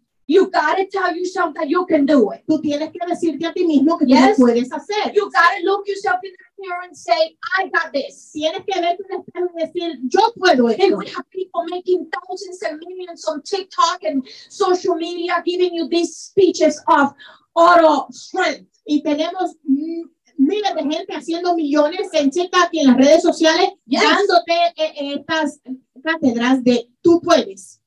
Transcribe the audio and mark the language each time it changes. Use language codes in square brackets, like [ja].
[en] You gotta tell yourself that you can do it. [es] Tú tienes que decirte a ti mismo que tú lo puedes hacer. [en] You gotta look yourself in the mirror and say, I got this. [es] Tienes que verte en el espejo y decir, yo puedo esto. [en] And we have people making thousands and millions on TikTok and social media giving you these speeches of auto strength. [es] Y tenemos miles de gente haciendo millones en TikTok y en las redes sociales dándote estas cátedras de tú puedes.